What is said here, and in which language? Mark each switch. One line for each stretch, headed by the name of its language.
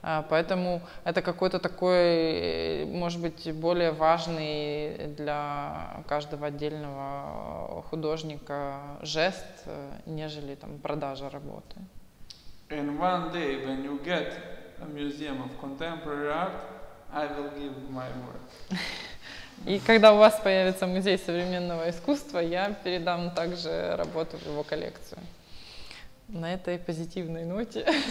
Russian: Поэтому это какой-то такой, может быть, более важный для каждого отдельного художника жест, нежели там продажа работы.
English: And one day, when you get a museum of contemporary art, I will give my work.
Russian: И когда у вас появится музей современного искусства, я передам также работу в его коллекцию. На этой позитивной ноте.